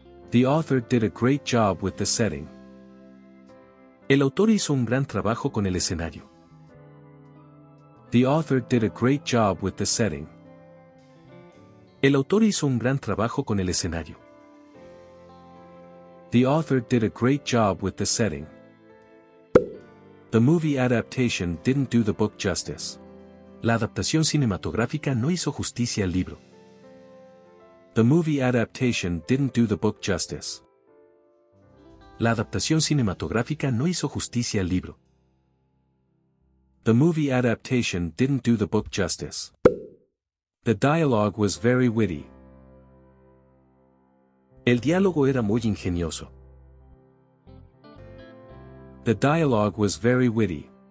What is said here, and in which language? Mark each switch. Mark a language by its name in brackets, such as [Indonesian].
[English] The author did a great job with the setting. [Spanish] El autor hizo un gran trabajo con el escenario. [English] The author did a great job with the setting. [Spanish] El autor hizo un gran trabajo con el escenario. [English] The author did a great job with the setting. The movie adaptation didn't do the book justice. [Spanish] La adaptación cinematográfica no hizo justicia al libro. [English] The movie adaptation didn't do the book justice. [Spanish] La adaptación cinematográfica no hizo justicia al libro. [English] The movie adaptation didn't do the book justice. The dialogue was very witty. [Spanish] El diálogo era muy ingenioso. [English] The dialogue was very witty.